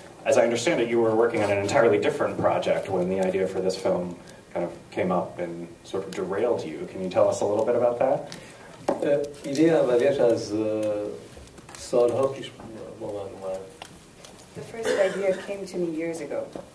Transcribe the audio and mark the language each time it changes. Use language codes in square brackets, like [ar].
[en] As I understand it, you were working on an entirely different project when the idea for this film kind of came up and sort of derailed you. Can you tell us a little bit about that? [fa] Idea اولیش از سالها پیش با من اومد. [en] The first idea came to me years ago.